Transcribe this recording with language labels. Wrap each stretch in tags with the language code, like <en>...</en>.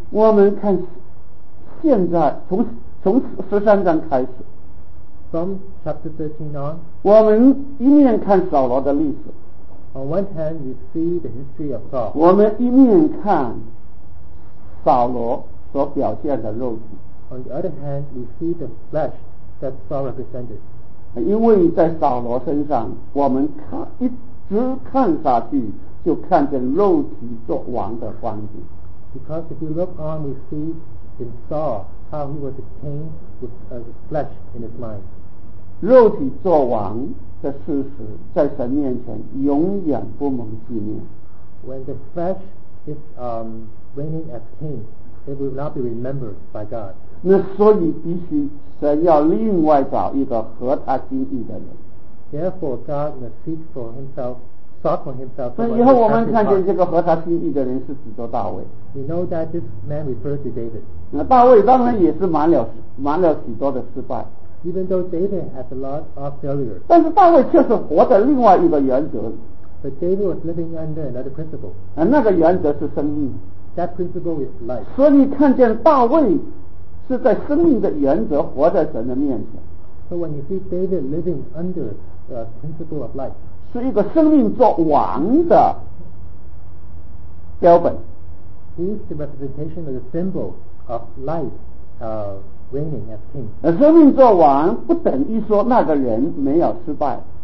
<zh>我们看现在从十三章开始。</zh> <en>From chapter 13 on,</en> <zh>我们一面看扫罗的历史，</zh> <en>on one hand we see the history of Saul.</en> <zh>我们一面看扫罗所表现的肉体，</zh> <en>on the other hand we see the flesh that Saul represented.</en> <zh>因为在扫罗身上，我们看一直看下去，就看见肉体作王的光景。</zh> <en>Because if you look on, we see in Saul. How he was a king with a flesh in his mind.</en> <zh>肉体作王的事实在神面前永远不蒙纪念。</zh> <en>When the flesh is reigning as king, it will not be remembered by God.</en> <zh>那所以必须神要另外找一个合他心意的人。</zh> <en>Therefore, God must seek for himself, sought for himself.</en> <zh>所以以后我们看见这个合他心意的人是指着大卫。</zh> <en>We know that this man refers to David.</en> <zh>那大卫当然也是瞒了许多的失败。</zh> <en>Even though David has a lot of failures.</en> <zh>但是大卫却是活在另外一个原则。</zh> <en>But David was living under another principle.</en> <zh>那个原则是生命。</zh> <en>That principle is life.</en> <zh>所以看见大卫是在生命的原则活在神的面前。</zh> <en>So when you see David living under the principle of life.</en> <zh>是一个生命作王的标本。</zh> <en>Is the representation of the symbol of life reigning as king.</en> <zh>生命作王不等于说那个人没有失败。</zh>